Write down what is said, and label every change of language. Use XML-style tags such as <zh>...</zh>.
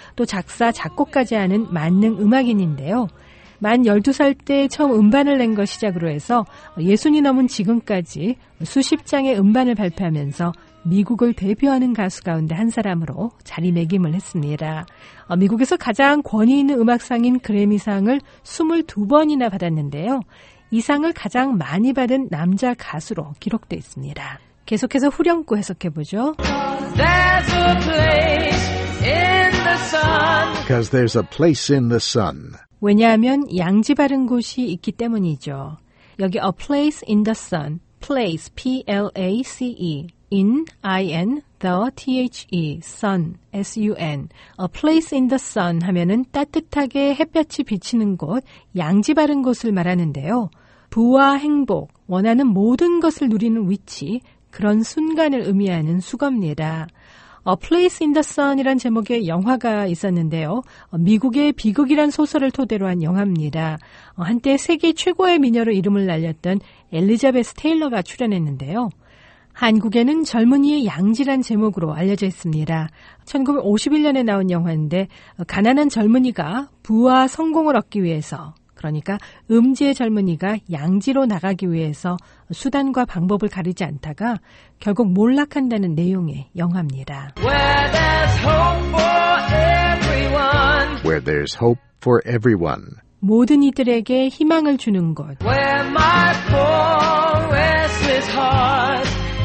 <ko>또 작사, 작곡까지 하는 만능 음악인인데요. 만 12살 때 처음 음반을 낸 것 시작으로 해서 60이 넘은 지금까지 수십 장의 음반을 발표하면서 미국을 대표하는 가수 가운데 한 사람으로 자리매김을 했습니다. 미국에서 가장 권위 있는 음악상인 그래미상을 22번이나 받았는데요. 이 상을 가장 많이 받은 남자 가수로 기록돼 있습니다. 계속해서 후렴구 해석해보죠.</ko> <en>There's a place in the sun. Because there's a place in the sun.</en> <ko>왜냐하면 양지바른 곳이 있기 때문이죠.</ko> <en>여기 a place in the sun, place, P-L-A-C-E. In, I-N, the, T-H-E, sun, S-U-N.</en> <ko>A place in the sun 하면은 따뜻하게 햇볕이 비치는 곳, 양지바른 곳을 말하는데요. 부와 행복, 원하는 모든 것을 누리는 위치, 그런 순간을 의미하는 수겁니다. A place in the sun이란 제목의 영화가 있었는데요. 미국의 비극이란 소설을 토대로 한 영화입니다. 한때 세계 최고의 미녀로 이름을 날렸던 엘리자베스 테일러가 출연했는데요. 한국에는 젊은이의 양지란 제목으로 알려져 있습니다. 1951년에 나온 영화인데 가난한 젊은이가 부와 성공을 얻기 위해서 그러니까 음지의 젊은이가 양지로 나가기 위해서 수단과 방법을 가리지 않다가 결국 몰락한다는 내용의 영화입니다.</ko> <en>Where there's hope for everyone. Where there's hope for everyone.</en> <ko>모든 이들에게 희망을 주는 곳.</ko> <en>Where my poor restless heart.</en>